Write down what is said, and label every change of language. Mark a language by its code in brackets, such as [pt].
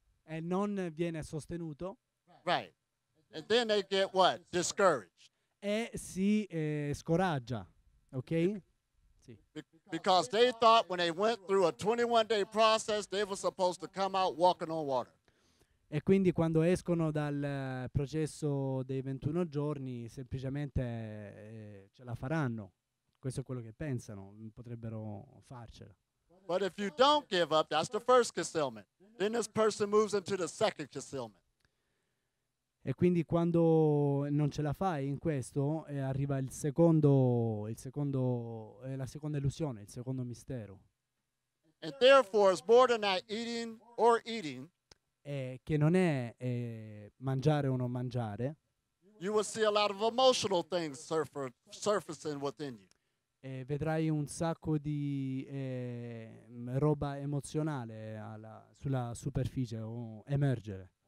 [it] e non viene sostenuto, [en] right? And then they get what? Discouraged. [it] E si scoraggia, okay? [en] Because they thought when they went through a 21-day process, they were supposed to come out walking on water. [it] E quindi quando escono dal processo dei 21 giorni, semplicemente ce la faranno. Questo è quello che pensano, potrebbero farcela. [en] But if you don't give up, that's the first concealment. Then this person moves into the second concealment. [it] E quindi quando non ce la fai in questo, arriva la seconda mistero. [en] And therefore it's more than not eating or eating. [it] Che non è mangiare o non mangiare. [en] You will see a lot of emotional things surfacing within you. [it] Vedrai un sacco di roba emozionale sulla superficie o emergere.